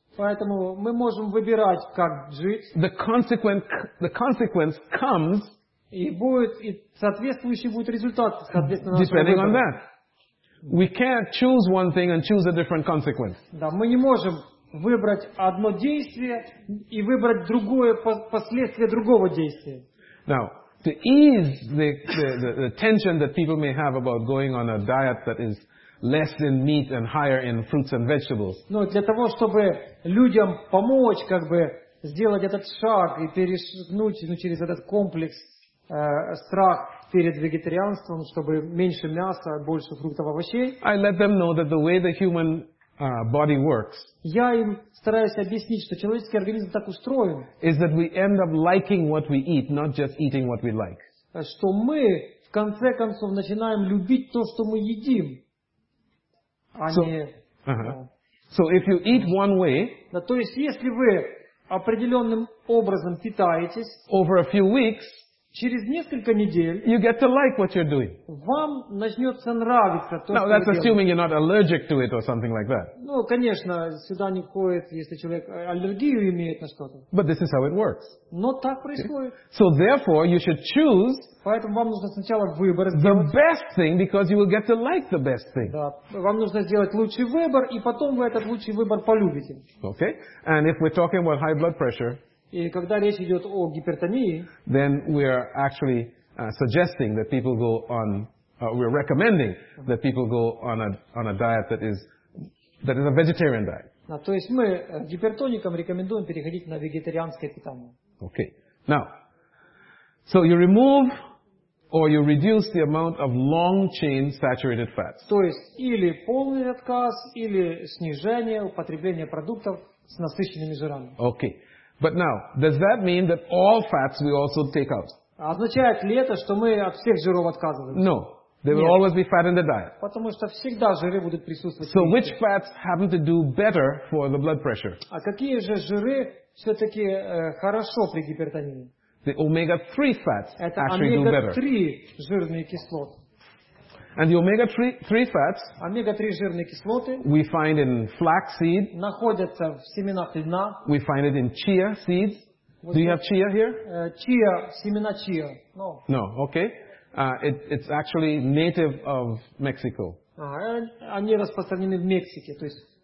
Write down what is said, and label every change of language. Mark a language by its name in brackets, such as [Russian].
[Russian] Поэтому мы можем выбирать, как жить. [English] The consequence comes. [Russian] И соответствующий будет результат, соответственно, [English] depending on that. We can't choose one thing and choose a different consequence. [Russian] Да, мы не можем выбрать одно действие и выбрать другое последствие другого действия. [English] Now, to ease the tension that people may have about going on a diet that is less in meat and higher in fruits and vegetables. [Russian] Ну, для того, чтобы людям помочь, как бы, сделать этот шаг и перешагнуть, ну, через этот комплекс страх перед вегетарианством, чтобы меньше мяса, больше фруктов, овощей. [English] I let them know that the way the human body works. [Russian] Я им стараюсь объяснить, что человеческий организм так устроен. [English] Is that we end up liking what we eat, not just eating what we like. [Russian] Что мы в конце концов начинаем любить то, что мы едим, а не. [English] So if you eat one way. [Russian] Да, то есть если вы определенным образом питаетесь. [English] Over a few weeks. [Russian] Через несколько недель [English] you get to like what you're doing. [Russian] Вам начнется нравиться то, [English] now, [Russian] что [English] that's assuming you're not allergic to it or something like that. [Russian] Ну, конечно, сюда не входит, если человек аллергию имеет на что-то. [English] But this is how it works. [Russian] Но так происходит. [English] So therefore, you should choose. [Russian] Поэтому вам нужно сначала выбор [English] сделать. The best thing, because you will get to like the best thing. [Russian] Да, вам нужно сделать лучший выбор, и потом вы этот лучший выбор полюбите. [English] Okay, and if we're talking about high blood pressure. [Russian] И когда речь идет о гипертонии, [English] then we are actually suggesting that people go on, we're recommending that people go on a diet that is a vegetarian diet. [Russian] Да, то есть мы гипертоникам рекомендуем переходить на вегетарианское питание. [English] Okay. Now, so you remove or you reduce the amount of long-chain saturated fats. [Russian] То есть или полный отказ, или снижение употребления продуктов с насыщенными жирами. [English] Okay. But now, does that mean that all fats we also take out? [Russian] Означает ли это, что мы от всех жиров отказываемся? [English] No. There will always be fat in the diet. [Russian] Потому что всегда жиры будут присутствовать. [English] So which fats happen to do better for the blood pressure? [Russian] А какие же жиры все-таки хорошо при гипертонии? [English] The omega-3 fats actually do better. [Russian] Это омега-3 жирные кислоты. [English] And the omega-3 fats, [Russian] омега-3 жирные кислоты, [English] we find in flax seed, [Russian] находятся в семенах льна, [English] we find it in chia seeds. Вот do you have chia here? [Russian] Chia, семена chia. [English] No. No, okay. It's actually native of Mexico. [Russian] Они распространены в Мексике, то есть.